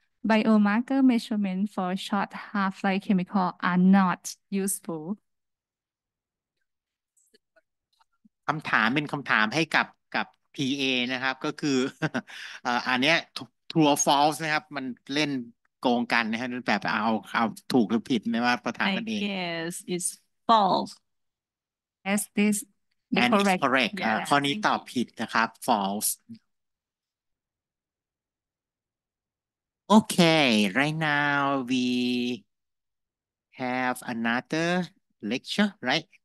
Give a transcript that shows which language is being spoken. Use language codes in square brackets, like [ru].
[en] Biomarker measurement for short half-life chemical are not useful. [th] คำถามเป็นคำถามให้กับ PA นะครับก็คืออันเนี้ย [en] True or false [th] นะครับมันเล่นโกงกันนะฮะแบบเอาถูกหรือผิดไม่ว่าประถามกันเอง [en] I guess it's false. Is this and it's correct [th] ข้อนี้ตอบผิดนะครับ [en] falseOkay, right now we have another lecture, right?